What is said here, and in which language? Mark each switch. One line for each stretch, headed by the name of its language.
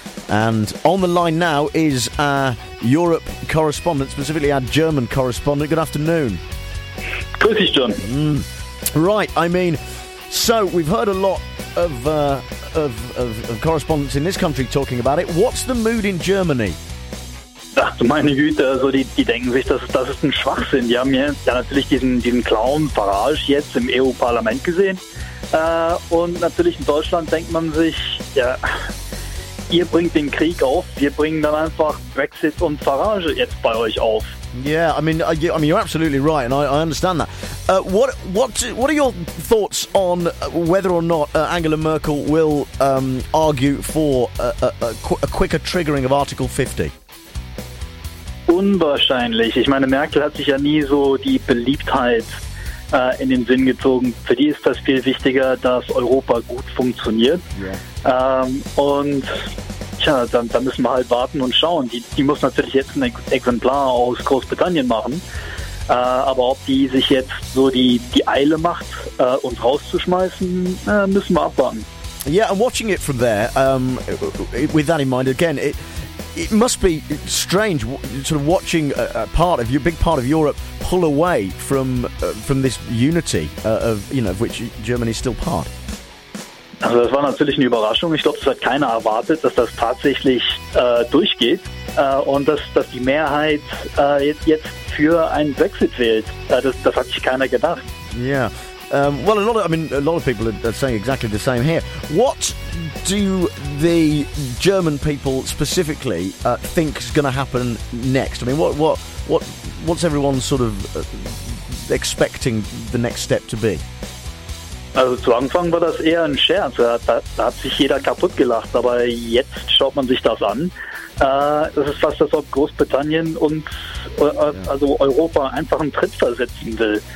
English: And on the line now is our Europe correspondent, specifically our German correspondent. Good afternoon. Good afternoon. Right, I mean, so we've heard a lot of correspondents in this country talking about it. What's the mood in Germany?
German: Ach, meine Güte, also die denken sich, das ist ein Schwachsinn. Die haben jetzt ja natürlich diesen Clown Farage jetzt im EU-Parlament gesehen. Und natürlich in Deutschland denkt man sich, ja, ihr bringt den Krieg auf, wir bringen dann einfach Brexit und Farage jetzt bei euch auf.
English: Yeah, I mean you're absolutely right, and I understand that. What are your thoughts on whether or not Angela Merkel will argue for a quicker triggering of Article 50?
German: Unwahrscheinlich. Ich meine, Merkel hat sich ja nie so die Beliebtheit in den Sinn gezogen. Für die ist das viel wichtiger, dass Europa gut funktioniert.
English: Yeah.
German: Und tja, dann müssen wir halt warten und schauen. Die muss natürlich jetzt ein Exemplar aus Großbritannien machen. Aber ob die sich jetzt so die Eile macht, uns rauszuschmeißen, müssen wir abwarten.
English: Yeah, I'm watching it from there. With that in mind, again, it must be strange, sort of watching a part of your big part of Europe pull away from this unity of, you know, of which Germany is still part.
German: Also das war natürlich eine Überraschung. Ich glaube, das hat keiner erwartet, dass das tatsächlich durchgeht und dass die Mehrheit jetzt für einen Brexit wählt. Das hat sich keiner gedacht.
English: Yeah. Well, a lot of people are saying exactly the same here. What do the German people specifically think is going to happen next? I mean, what's everyone sort of expecting the next step to be?
German: Also zu Anfang war das eher ein Scherz. Da hat sich jeder kaputt gelacht. Aber jetzt schaut man sich das an. Es ist fast, als ob Großbritannien und also Europa einfach einen Tritt versetzen will.